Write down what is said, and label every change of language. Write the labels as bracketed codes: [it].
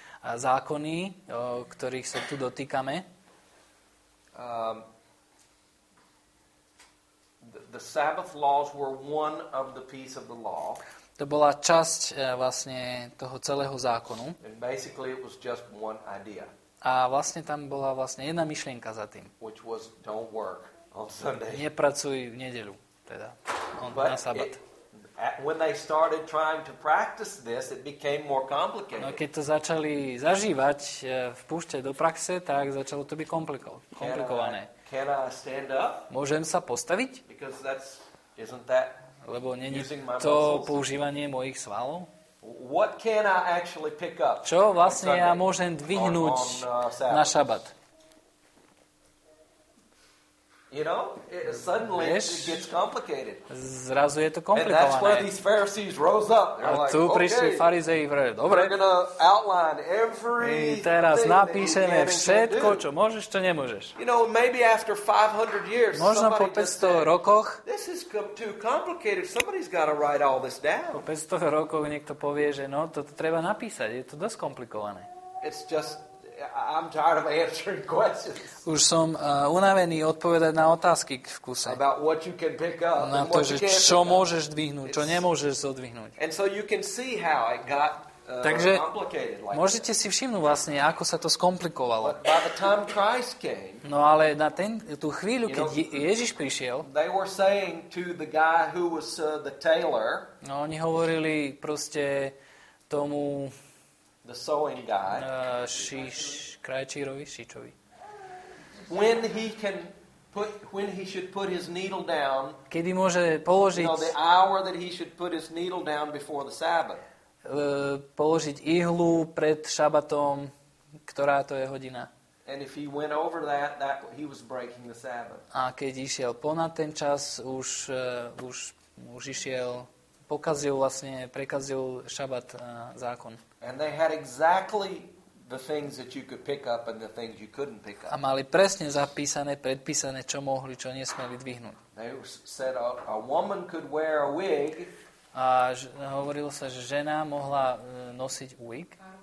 [sk] Zákony, o ktorých sa tu dotýkame. [en] The Sabbath laws were one of the piece of the law. [sk] To bola časť vlastne toho celého zákonu. [en] And basically it was just one idea. [sk] A vlastne tam bola vlastne jedna myšlienka za tým. [en] Which was don't work on Sunday. [sk] Nepracuj v nedeľu, teda na sabat. [en] When they started trying to practice this, it became more complicated. [sk] No keď to začali zažívať v púšte do praxe, tak začalo to byť komplikované. [en] Can I stand up? [sk] Môžem sa postaviť? [en] Because that's isn't that [sk] lebo není to používanie mojich svalov? [en] What can I actually pick up? [sk] Čo vlastne ja môžem dvihnúť na šabat? [en] You know, suddenly it gets complicated. [sk] Zrazu je to komplikované. [en] And that's where these Pharisees rose up. They're [sk] a [en] like, [sk] tu prišli farizei, dobre. [en] We're going to outline every [sk] teraz napíšeme všetko, čo môžeš, čo nemôžeš. [en] You know, maybe after 500 years. [sk] Možno po 500 rokoch. [en] This is too complicated. Somebody's got to write all this down. [sk] Po 500 rokoch niekto povie, že no, toto treba napísať, je to dosť komplikované. [en] It's just I'm tired of answering questions. [sk] Už som unavený odpovedať na otázky v kuse. [en] About what you can pick up. [sk] Na to, že čo môžeš dvihnúť, čo nemôžeš zodvihnúť. [en] And so you can see how it got [sk] takže [en] complicated like [sk] môžete [en] that. [sk] Si všimnúť vlastne, ako sa to skomplikovalo. [en] But by the time Christ came, [sk] no ale na tú chvíľu, keď Ježiš prišiel, [en] they were saying to the guy who was the tailor, [sk] no oni hovorili proste tomu [en] the sewing guy. [sk] Krajčírovi, šičovi. [en] When he should put his needle down. [sk] Kedy môže položiť. [en] You know, the hour that he should put his needle down before the Sabbath. [sk] Položiť ihlu pred šabatom, ktorá to je hodina. [en] And if he went over that he was breaking the Sabbath. [sk] A keď išiel ponad ten čas, už išiel pokazil vlastne, prekazil šabat zákon. [en] And they had exactly the things that you could pick up and the things you couldn't pick up. [sk] A mali presne zapísané, predpísané, čo mohli, čo nesmeli dvihnúť. [en] They said a woman could wear a wig. [sk] A hovorilo sa, že žena mohla nosiť wig.